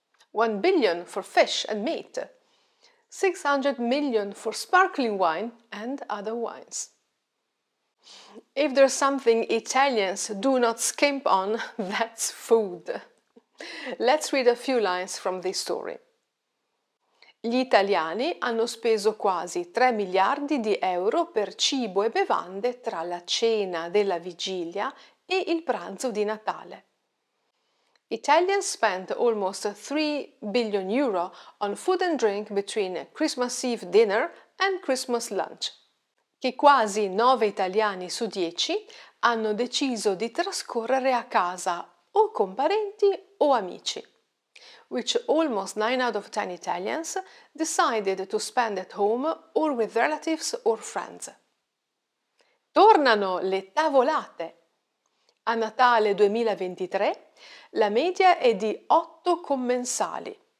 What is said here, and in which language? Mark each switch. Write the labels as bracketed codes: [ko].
[en] 1 billion for fish and meat. 600 million for sparkling wine and other wines. If there's something Italians do not skimp on, that's food. Let's read a few lines from this story. [it] Gli italiani hanno speso quasi 3 miliardi di euro per cibo e bevande tra la cena della vigilia e il pranzo di Natale. [en] Italians spent almost 3 billion euro on food and drink between Christmas Eve dinner and Christmas lunch. [it] Che quasi 9 italiani su 10 hanno deciso di trascorrere a casa o con parenti o amici. [en] Which almost 9 out of 10 Italians decided to spend at home or with relatives or friends. [it] Tornano le tavolate! A Natale 2023 la media è di 8 commensali.